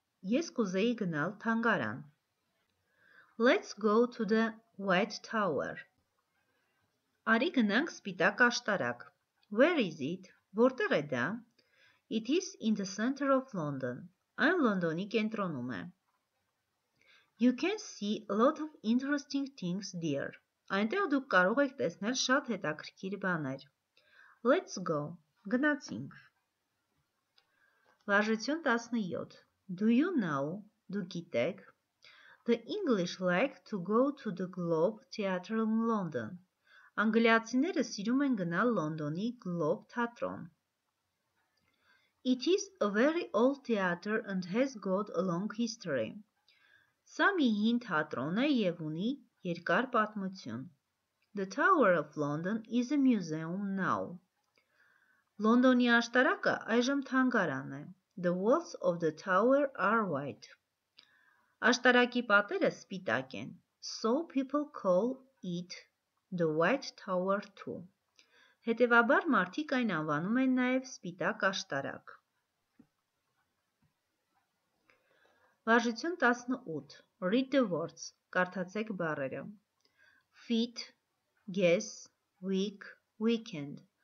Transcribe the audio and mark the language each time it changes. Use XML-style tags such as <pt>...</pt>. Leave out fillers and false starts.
<hy>Ես կուզեի գնալ թանգարան.</hy> <en>Let's go to the White Tower.</en> <hy>Արի գնանք սպիտակ աշտարակ.</hy> <en>Where is it?</en> <hy>Որտեղ է դա?</hy> <en>It is in the center of London.</en> <hy>Այն Լոնդոնի կենտրոնում է.</hy> <en>You can see a lot of interesting things there.</en> <hy>Այնտեղ դուք կարող եք տեսնել շատ հետաքրքիր բաներ.</hy> <en>Let's go.</en> <hy>Գնացինք. Վարժություն 17.</hy> <en>Do you know?</en> <hy>Դու գիտեք?</hy> <en>The English like to go to the Globe Theatre in London.</en> <hy>Անգլիացիները սիրում են գնալ Լոնդոնի Globe թատրոն.</hy> <en>It is a very old theatre and has got a long history.</en> <hy>Սա մի հին թատրոն է և ունի երկար պատմություն.</hy> <en>The Tower of London is a museum now.</en> <hy>Լոնդոնի աշտարակը այժմ թանգարան է.</hy> <en>The walls of the tower are white.</en> <hy>Աշտարակի պատերը սպիտակ են.</hy> <en>So people call it the White Tower too.</en> <hy>Հետևաբար մարդիկ այն անվանում են նաև սպիտակ աշտարակ. Վարժություն 18.</hy> <en>Read the words.</en> <hy>Կարդացեք բառերը.</hy> <en>Fit, guess, week, weekend.</en>